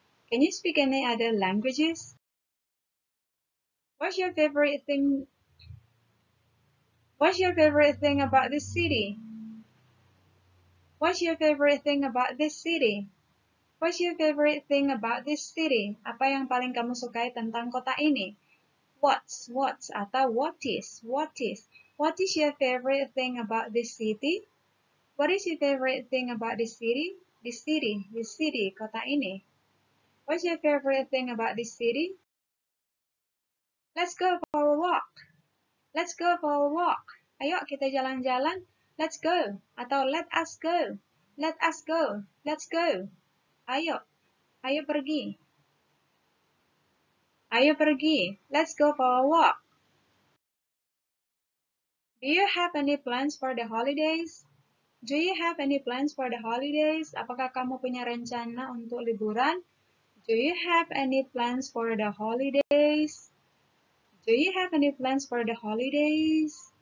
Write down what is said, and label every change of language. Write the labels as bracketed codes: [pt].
[en] Can you speak any other languages? What's your favorite thing about this city? What's your favorite thing about this city? What's your favorite thing about this city? [id] Apa yang paling kamu sukai tentang kota ini? [en] What's [id] atau [en] what is? What is your favorite thing about this city? What is your favorite thing about this city? This city, [id] kota ini. [en] What's your favorite thing about this city? Let's go for a walk. Let's go for a walk. [id] Ayo kita jalan-jalan. [en] Let's go. [id] Atau [en] let us go. Let us go. Let's go. [id] Ayo. Ayo pergi. Ayo pergi. [en] Let's go for a walk. Do you have any plans for the holidays? Do you have any plans for the holidays? [id] Apakah kamu punya rencana untuk liburan? [en] Do you have any plans for the holidays? Do you have any plans for the holidays?